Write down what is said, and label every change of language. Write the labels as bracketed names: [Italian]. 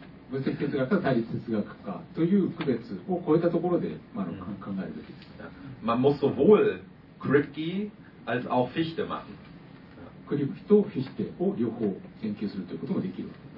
[Japanese] 分析哲学か対立哲学かという区別を超えたところで、まあ、考えるべきです。 [German] Man muss sowohl Kripke als auch Fichte machen. [Japanese] クリプキとフィヒテを両方研究するということもできる。